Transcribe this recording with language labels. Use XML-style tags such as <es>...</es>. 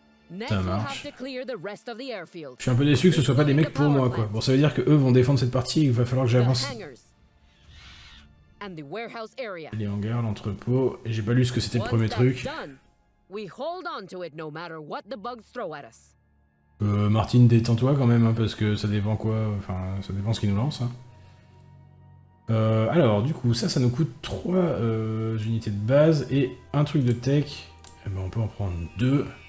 <en>Next, we'll have to clear the rest of the airfield.</en> <fr>Je suis un peu déçu que ce soit pas des mecs pour moi, quoi. Bon, ça veut dire que eux vont défendre cette partie. Il va falloir que j'avance. Les hangars, l'entrepôt. Et j'ai pas lu ce que c'était le premier truc.</fr> <en>We hold on to it no matter what the bugs throw at us.</en> <fr>Martine, détends-toi quand même, hein, parce que ça dépend quoi, enfin, ça dépend ce qu'il nous lance. Hein. Alors, du coup, ça nous coûte 3 unités de base et un truc de tech. Eh ben, on peut en prendre 2.</fr>